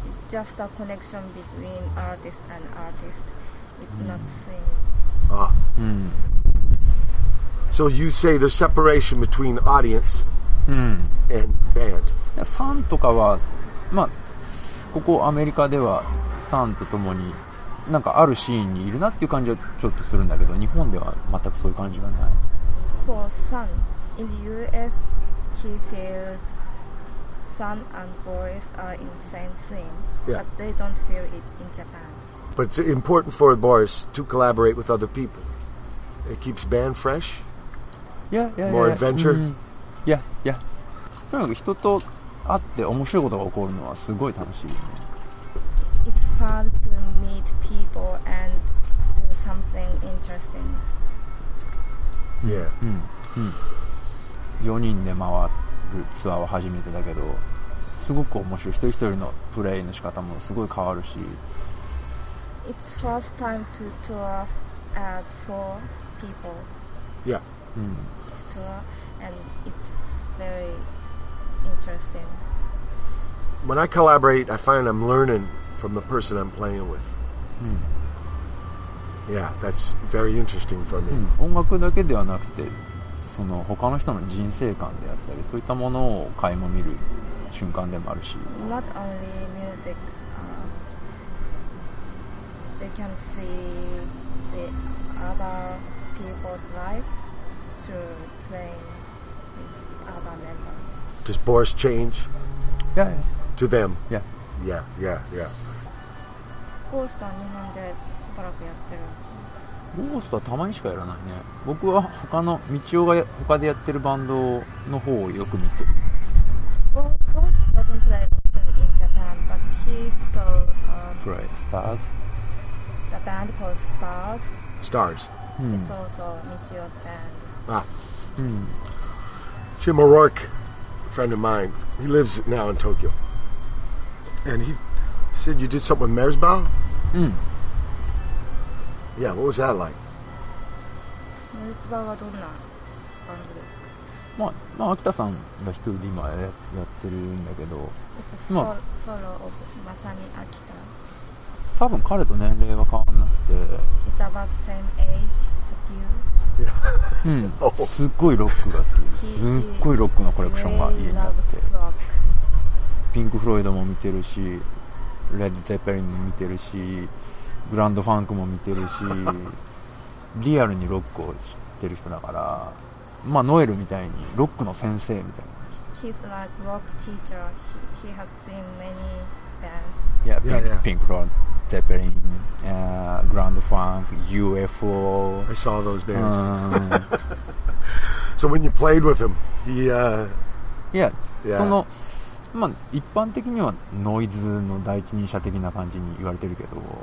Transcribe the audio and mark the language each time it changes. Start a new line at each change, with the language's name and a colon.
English: It's just a connection between artist and artist. It's not scene. So you say the separation between audience and band.
Japanese: サンとかは、まあ、ここアメリカではサンと共に、なんかあるシーンにいるなっていう感じはちょっとするんだけど、日本では全くそういう感じがない。
English: For Sun, in the US, he feels Sun and Boris are in the same scene, but they don't feel it in Japan. But it's important for Boris to collaborate with other people. It keeps band fresh. Yeah. adventure.
Japanese: とにかく人と会って面白いことが起こるのはすごい楽しい。
English: It's fun to meet people and do something interesting. Yeah.
Japanese: 4人で回るツアーは初めてだけど、すごく面白い。一人一人のプレイの仕方もすごい変わるし。
English: It's first time to tour as four people. Yeah. This tour and it's very interesting. When I collaborate, I find I'm learning. From the person I'm playing with. Yeah, that's very interesting for me.
Japanese: 音楽だけではなくて、その他の人の人生観であったり、そういったものを垣間見る瞬間でもあるし。
English: Not only music, they can see the other people's life through playing with other members. Does Boris change? Yeah. To them? Yeah. Yeah, yeah, yeah.
Japanese: ゴーストは日本でしばらくやってる。ゴーストはたまにしかやらないね。僕は他の道夫が他でやってるバンドの方をよく見てる。
English: ゴースト doesn't play often in Japan, but he saw play Stars. The band called Stars. Stars. It's also 道夫's band. Jim O'Rourke, a friend of mine, he lives now in Tokyo, and he said you did something with Merzbow? Yeah, what was that like?
Japanese: Merzbow はどんな感じですか？まあ、秋田さんが一人で今やってるんだけど、
English: It's a solo of まさに秋田。
Japanese: 多分彼と年齢は変わんなくて。
English: It's about the same age as you. Yeah.
Japanese: すっごいロックが好き。すっごいロックのコレクションが家にあって。ピンクフロイドも見てるし、レッド・ゼッペリンも見てるし、グランド・ファンクも見てるし、リアルにロックを知ってる人だから、まあノエルみたいにロックの先生みたいな。
English: He's like rock teacher. He has seen many bands. Pink Floyd, Zeppelin, Grand Funk, UFO. I saw those bands. So when you played with him,
Japanese: まあ、一般的にはノイズの第一人者的な感じに言われてるけど、